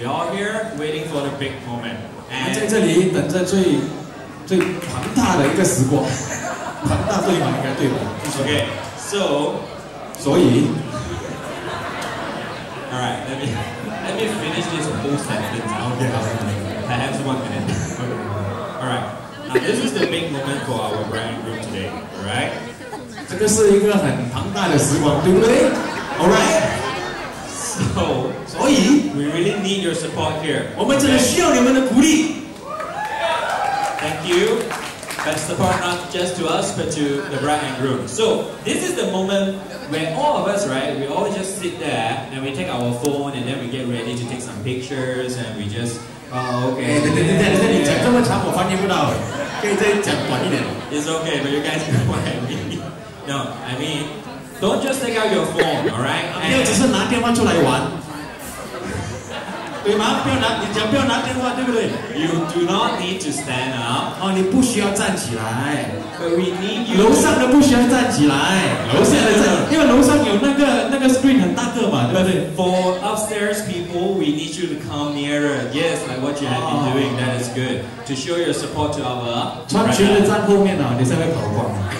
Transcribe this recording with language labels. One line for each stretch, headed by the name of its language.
English: We're all here waiting for the big moment. And we're here waiting for the big moment. And we're okay, so... Alright, let me finish this whole sentence. Perhaps 1 minute. Alright, now this is the big moment for our brand group today. Alright?
Chinese: 这个是一个很庞大的时光，对不对？
English: Alright? So, we really need your support here.
Chinese: 我们真的需要你们的鼓励。
English: Thank you. Best support not just to us, but to the bride and groom. So, this is the moment where all of us, right, we all just sit there and we take our phone and then we get ready to take some pictures and we just... Oh, okay. Wait. It's okay, but you guys know what I mean. No, I mean, don't just take out your phone, alright? And...
Chinese: 不要只是拿电话出来玩，对吗？不要拿，你讲不要拿电话，对不对？
English: You do not need to stand up.
Chinese: 哦，你不需要站起来。
English: But we need you.
Chinese: 楼上的不需要站起来，楼下的站，因为楼上有那个 screen 很大个嘛，对不对？
English: For upstairs people, we need you to come nearer. Yes, like what you have been doing, that is good. To show your support to our.
Chinese: 穿裙子站后面啊，你才会跑光。